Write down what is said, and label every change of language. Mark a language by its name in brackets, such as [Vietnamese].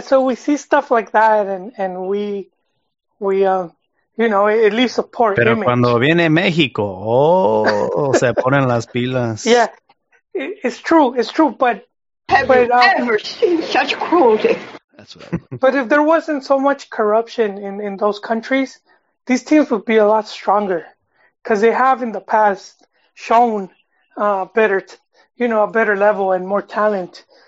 [English] So we see stuff like that, and we it leaves a poor [Spanish] Pero [English] image. [Spanish] Pero cuando viene México, oh, se ponen las pilas. [English] Yeah, it's true. But have you ever seen such cruelty? That's what. But if there wasn't so much corruption in those countries, these teams would be a lot stronger, because they have in the past shown a better level and more talent.